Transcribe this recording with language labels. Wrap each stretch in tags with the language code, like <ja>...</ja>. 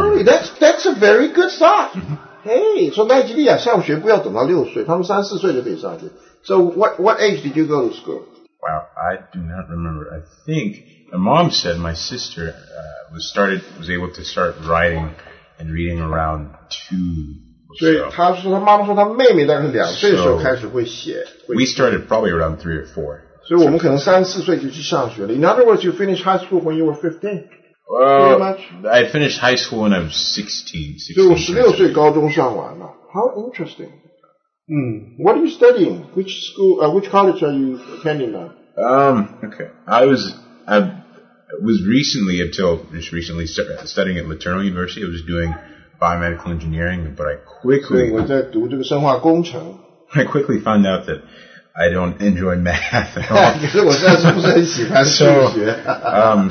<en>Really? That's a very good thought. Mm-hmm. Hey, so Nigeria,</en> <zh>上学不要等到六岁，他们三四岁就可以上学。</zh> <en>So what age did you go to school? Wow, I do not remember. I think my mom said my sister was able to start writing and reading around 2.</en> <zh>So 她说她妈妈说她妹妹大概两岁的时候开始会写。</zh> <en>We started probably around 3 or 4.</en> <zh>所以我们可能三四岁就去上学了。</zh> <en>In other words, you finished high school when you were 15. Well, I finished high school when I was 16. How interesting. Mm. What are you studying? Which school, which college are you attending now? Okay. I was recently, until just recently, studying at Laternal University. I was doing biomedical engineering, but I quickly found out that I don't enjoy math at all.</en>